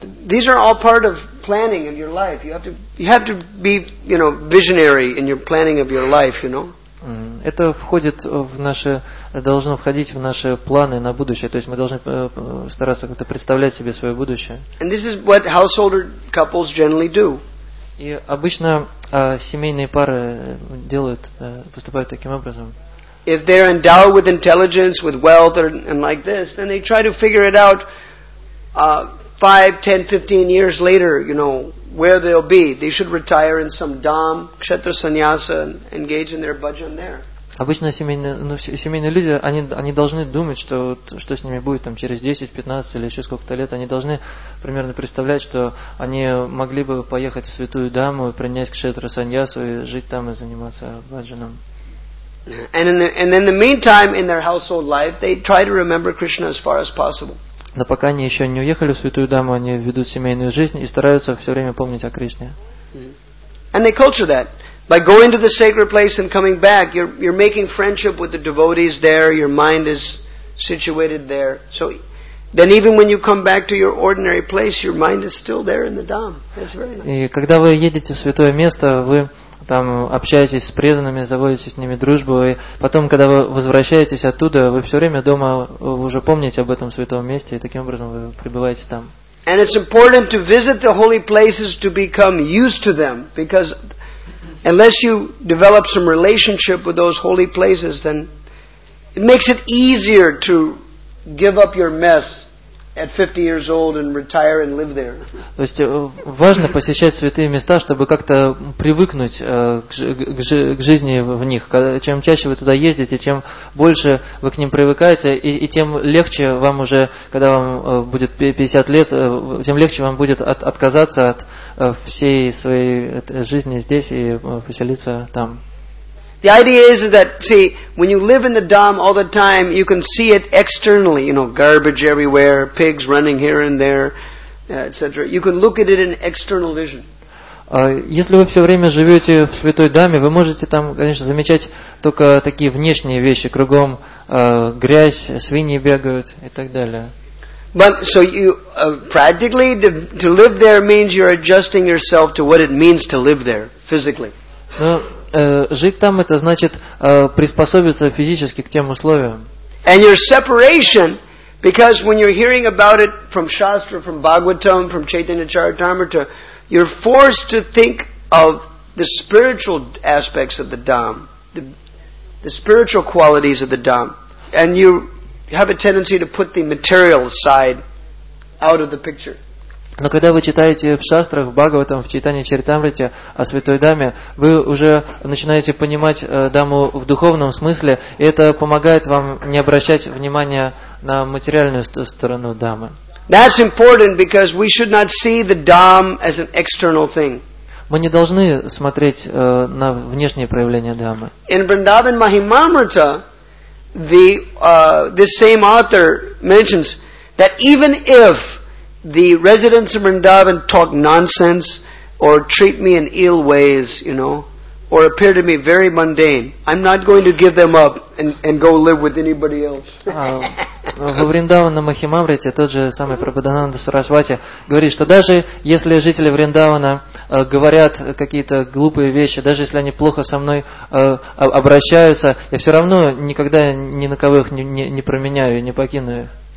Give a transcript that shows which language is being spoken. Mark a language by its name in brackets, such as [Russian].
[English] These are all part of planning in your life. You have to be, you know, visionary in your planning of your life, you know. [Russian] Это входит в наши, должно входить в наши планы на будущее. То есть мы должны стараться как-то представлять себе свое будущее. [English] And this is what householder couples generally do. [Russian] И обычно семейные пары делают, поступают таким образом. [English] If they're endowed with intelligence, with wealth, and like this, then they try to figure it out 5, 10, 15 years later, you know, where they'll be. They should retire in some dham, kshetra sannyasa, and engage in their bhajan there. [Russian] Обычно семейные люди, они должны думать, что с ними будет там через 10, 15 или еще сколько-то лет. Они должны примерно представлять, что они могли бы поехать в святую даму, принять кшетра саньясу и жить там и заниматься бхаджаном. [English] And in the meantime, in their household life, they try to remember Krishna as far as possible. [Russian] Но пока они еще не уехали в святую даму, они ведут семейную жизнь и стараются все время помнить о Кришне. [English] And they culture that. By going to the sacred place and coming back, you're making friendship with the devotees there, your mind is situated there. So then even when you come back to your ordinary place, your mind is still there in the Dham. That's very nice. [Russian] И когда вы едете в святое место, вы там общаетесь с преданными, заводите с ними дружбу, и потом, когда вы возвращаетесь оттуда, вы все время дома уже помните об этом святом месте, и таким образом вы пребываете там. [English] And it's important to visit the holy places to become used to them, because unless you develop some relationship with those holy places, then it makes it easier to give up your mess at 50 years old and retire and live there. [Russian] То есть важно посещать святые места, чтобы как-то привыкнуть к жизни в них. Чем чаще вы туда ездите, чем больше вы к ним привыкаете, и тем легче вам уже, когда вам будет 50 лет, тем легче вам будет отказаться от всей своей жизни здесь и поселиться там. [English] The idea is that, see, when you live in the Dham all the time, you can see it externally, you know, garbage everywhere, pigs running here and there, etc. You can look at it in external vision. [Russian] Если вы все время живете в Святой Даме, вы можете там, конечно, замечать только такие внешние вещи, кругом грязь, свиньи бегают и так далее. [English] But so you practically to live there means you're adjusting yourself to what it means to live there physically. [Russian] Жить там, это значит приспособиться физически к тем условиям. [English] And your separation, because when you're hearing about it from Shastra, from Bhagavatam, from Chaitanya Charitamrita, you're forced to think of the spiritual aspects of the Dham, the spiritual qualities of the Dham. And you have a tendency to put the material side out of the picture. [Russian] Но когда вы читаете в шастрах, в Бхагаватам, в Чайтанья Чаритамрите о святой даме, вы уже начинаете понимать даму в духовном смысле, и это помогает вам не обращать внимания на материальную сторону дамы. [English] That's important because we should not see the dham as an external thing. [Russian] Мы не должны смотреть на внешние проявления дхаммы. [English] In Vrindavan Mahimamrita, this same author mentions that even if the residents of Vrindavan talk nonsense or treat me in ill ways, you know, or appear to me very mundane, I'm not going to give them up and go live with anybody else. [Russian] Во Вриндаване Махимамрите тот же самый Прабхудананда Сарасвати говорит, что даже если жители Вриндавана говорят какие-то глупые вещи, даже если они плохо со мной обращаются, я все равно никогда ни на кого их не променяю и не покину их.